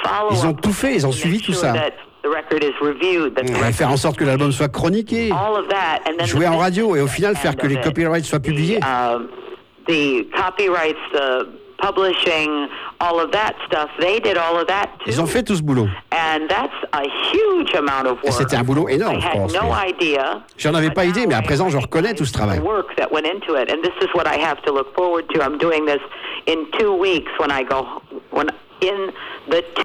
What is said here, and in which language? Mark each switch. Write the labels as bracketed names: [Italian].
[French] Ils ont tout fait, ils ont suivi tout ça. On va faire en sorte que l'album soit chroniqué, jouer en radio et au final faire que les copyrights soient publiés. [English] The copyrights, the publishing, all of that stuff. They did all of that too. [French] Ils ont fait tout ce boulot. [English] And that's a huge amount of work. [French] Et c'était un boulot énorme, je pense. [English] I had no idea. [French] J'en avais pas idée, mais à présent, je reconnais tout ce travail. [English] Work that went into it, and this is what I have to look forward to. I'm doing this in 2 weeks when I go when in the.